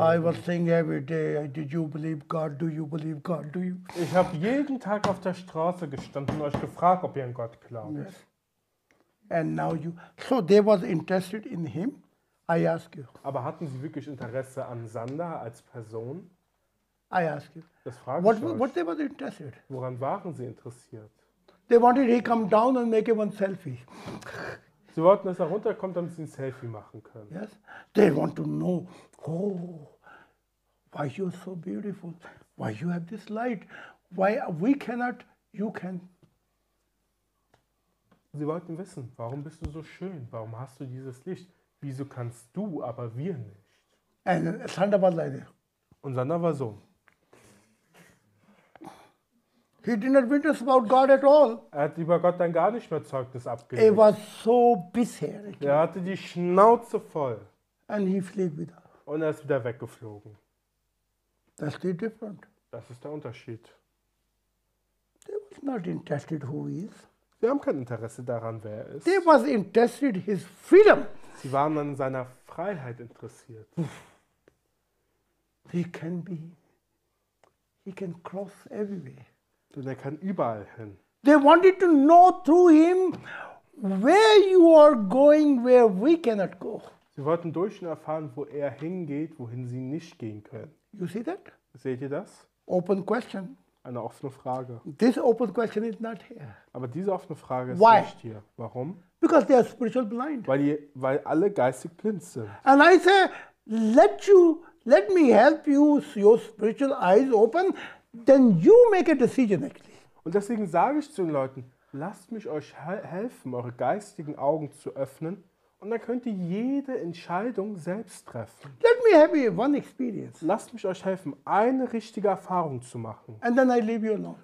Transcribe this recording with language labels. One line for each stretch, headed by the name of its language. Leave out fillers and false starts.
English: I was saying every day, did you believe God? Do you believe God? Do you?
German: Ich habe jeden Tag auf der Straße gestanden und euch gefragt, ob ihr an Gott glaubt.
English: Yes. And now you. So they was interested in him. I ask you.
German: Aber hatten sie wirklich Interesse an Sander als Person?
English: I ask you.
German: Das frage ich euch.
English: What they were interested?
German: Woran waren sie interessiert?
English: They wanted he come down and make one selfie.
German: Sie wollten, dass er runterkommt, damit sie ein Selfie machen können.
English: Yes. They want to know, oh, why you so beautiful? Why you have this light? Why we cannot? You can.
German: Sie wollten wissen, warum bist du so schön? Warum hast du dieses Licht? Wieso kannst du, aber wir nicht? Ein Sander war leider. Und Sander war so.
English: He did not witness about God at all.
German: Er hat über Gott dann gar nicht mehr Zeugnis abgelegt. Er war so bisherig. Er hatte die Schnauze voll.
English: And he flew wieder.
German: Und er ist wieder weggeflogen.
English: That's the difference.
German: Das ist der Unterschied.
English: They was not interested who he is.
German: Sie haben kein Interesse daran, wer er ist.
English: They was interested his freedom.
German: Sie waren an seiner Freiheit interessiert.
English: He can be. He can cross everywhere.
German: Denn er kann überall hin.
English: They wanted to know through him where you are going, where we cannot go.
German: Sie wollten durch ihn erfahren, wo er hingeht, wohin sie nicht gehen können.
English: You see that?
German: Seht ihr das?
English: Open question.
German: Eine offene Frage.
English: This open question is not here.
German: Aber diese offene Frage ist Why? Nicht hier. Warum?
English: Because they are spiritually blind.
German: Weil alle geistig blind sind.
English: And I say, let me help you, your spiritual eyes open. Then you make a decision, actually.
German: Und deswegen sage ich zu den Leuten, lasst mich euch helfen, eure geistigen Augen zu öffnen. Und dann könnt ihr jede Entscheidung selbst treffen.
English: Let me have you one experience.
German: Lasst mich euch helfen, eine richtige Erfahrung zu machen.
English: And then I leave you alone.